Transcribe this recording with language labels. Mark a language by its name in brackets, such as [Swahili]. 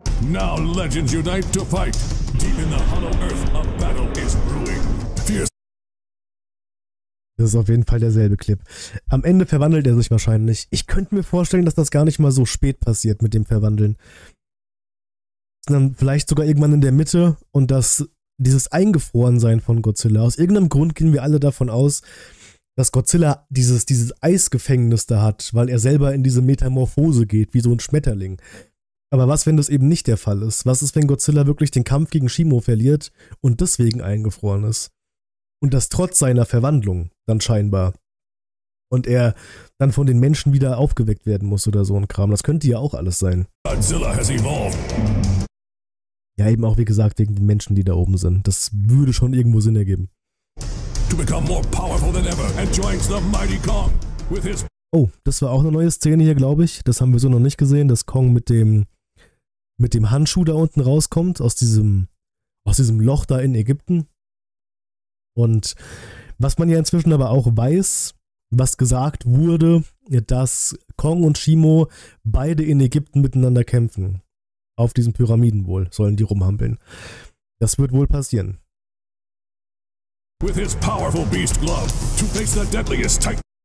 [English] Now legends unite to fight. Deep in the hollow earth, a battle is brewing. Fierce. [German] Das ist auf jeden Fall derselbe Clip. Am Ende verwandelt er sich wahrscheinlich. Ich könnte mir vorstellen, dass das gar nicht mal so spät passiert mit dem Verwandeln. Dann vielleicht sogar irgendwann in der Mitte und dass dieses Eingefrorensein von Godzilla. Aus irgendeinem Grund gehen wir alle davon aus, dass Godzilla dieses Eisgefängnis da hat, weil er selber in diese Metamorphose geht, wie so ein Schmetterling. Aber was, wenn das eben nicht der Fall ist? Was ist, wenn Godzilla wirklich den Kampf gegen Shimo verliert und deswegen eingefroren ist? Und das trotz seiner Verwandlung dann scheinbar. Und er dann von den Menschen wieder aufgeweckt werden muss oder so ein Kram. Das könnte ja auch alles sein. [English] Godzilla has evolved. [German] Ja, eben auch, wie gesagt, wegen den Menschen, die da oben sind. Das würde schon irgendwo Sinn ergeben. [English] To become more powerful than ever and joins the mighty Kong with his... [German] Oh, das war auch eine neue Szene hier, glaube ich. Das haben wir so noch nicht gesehen, dass Kong mit dem Handschuh da unten rauskommt, aus diesem Loch da in Ägypten. Und was man ja inzwischen aber auch weiß, was gesagt wurde, dass Kong und Shimo beide in Ägypten miteinander kämpfen. Auf diesen Pyramiden wohl, sollen die rumhampeln. Das wird wohl passieren. [English] With his powerful beast glove, to face the deadliest titan.